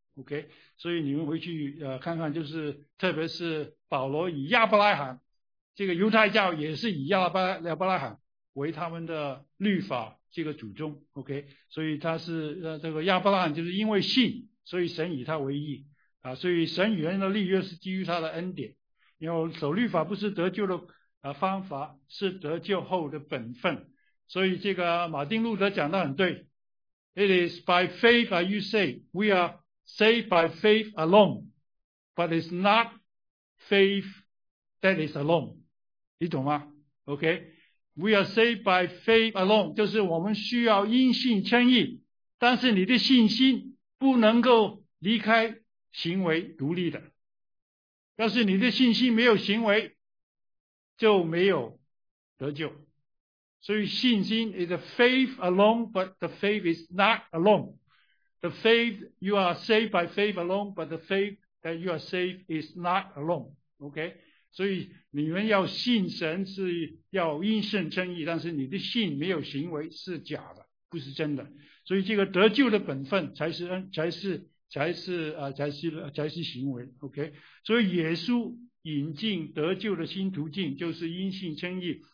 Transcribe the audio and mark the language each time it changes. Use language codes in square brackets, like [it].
[zh] OK，所以你们回去看看，就是特别是保罗以亚伯拉罕，这个犹太教也是以亚伯拉罕为他们的律法这个祖宗。 OK，所以他是这个亚伯拉罕就是因为信。所以神以他为义啊，所以神与人的立约是基于他的恩典，因为守律法不是得救的方法，是得救后的本分。所以这个马丁路德讲得很对， [en] It is by faith that you say we are saved by faith alone, but it's not faith that is alone。 [zh] 你懂吗？OK， [en] we are saved by faith alone， [zh] 就是我们需要因信称义，但是你的信心。不能够离开行为独立的，要是你的信心没有行为，就没有得救。所以信心 [en] is a faith alone, but the faith is not alone. The faith you are saved by faith alone, but the faith that you are saved is not alone. OK? [zh] 所以你们要信神是要因信称义，但是你的信没有行为是假的，不是真的。所以这个得救的本分才是恩，才是行为。 OK，所以耶稣引进得救的新途径就是因信称义。